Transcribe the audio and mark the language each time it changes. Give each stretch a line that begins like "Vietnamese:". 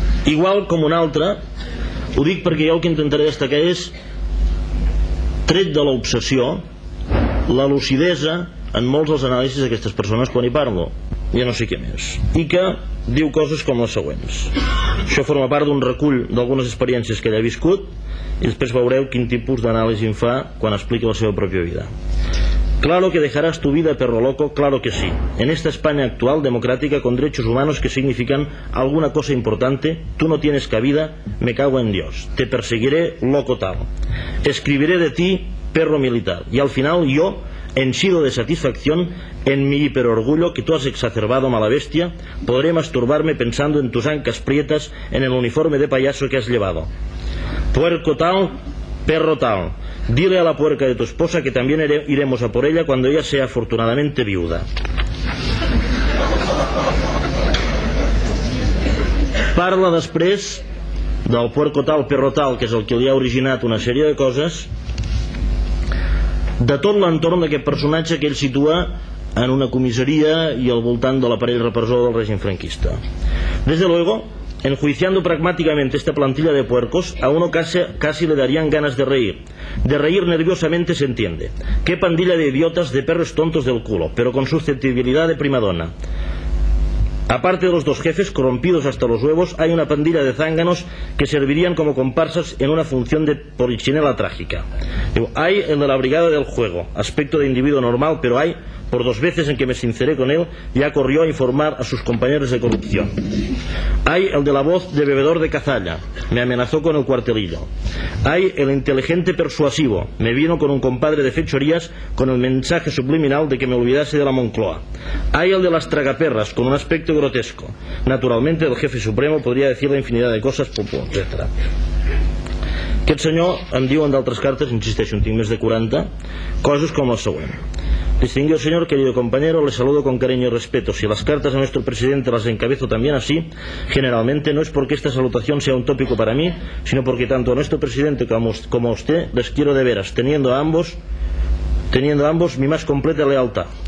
Catalan: Igual com un altre, ho dic perquè jo el que intentaré destacar és, tret de l'obsessió, la lucidesa en molts dels anàlisis d'aquestes persones quan hi parlo, ja no sé què més, i que diu coses com les següents. Això forma part d'un recull d'algunes experiències que ell ha viscut, i després veureu quin tipus d'anàlisi en fa quan explica la seva pròpia vida.
Spanish: Claro que dejarás tu vida, perro loco, claro que sí. En esta España actual, democrática, con derechos humanos que significan alguna cosa importante, tú no tienes cabida, me cago en Dios. Te perseguiré, loco tal. Escribiré de ti, perro militar. Y al final yo, henchido de satisfacción, en mi hiperorgullo, que tú has exacerbado, mala bestia, podré masturbarme pensando en tus ancas prietas, en el uniforme de payaso que has llevado. Puerco tal, perro tal. Dile a la puerca de tu esposa que también iremos a por ella cuando ella sea afortunadamente viuda.
Catalan: Parla després del
Spanish: puerco tal, perro tal,
Catalan: que és el que li ha originat una sèrie de coses, de tot l'entorn d'aquest personatge que ell situa en una comissaria i al voltant de l'aparell repressor del règim franquista.
Spanish: Desde luego, enjuiciando pragmáticamente esta plantilla de puercos, a uno casi le darían ganas de reír. De reír nerviosamente se entiende. ¡Qué pandilla de idiotas, de perros tontos del culo, pero con susceptibilidad de primadona! Aparte de los dos jefes, corrompidos hasta los huevos, hay una pandilla de zánganos que servirían como comparsas en una función de polichinela trágica. Hay el de la brigada del juego, aspecto de individuo normal, pero hay, por dos veces en que me sinceré con él, ya corrió a informar a sus compañeros de corrupción. Hay el de la voz de bebedor de cazalla, me amenazó con el cuartelillo. Hay el inteligente persuasivo, me vino con un compadre de fechorías con el mensaje subliminal de que me olvidase de la Moncloa. Hay el de las tragaperras, con un aspecto grotesco. Naturalmente, el jefe supremo podría decir la infinidad de cosas, etc.
Catalan: Aquest senyor em diu en d'altres cartes, insisteixo, en tinc més de 40, coses com la següent.
Spanish: Distinguido señor, querido compañero, le saludo con cariño y respeto. Si las cartas a nuestro presidente las encabezo también así, generalmente no es porque esta salutación sea un tópico para mí, sino porque tanto a nuestro presidente como a usted les quiero de veras, teniendo a ambos mi más completa lealtad.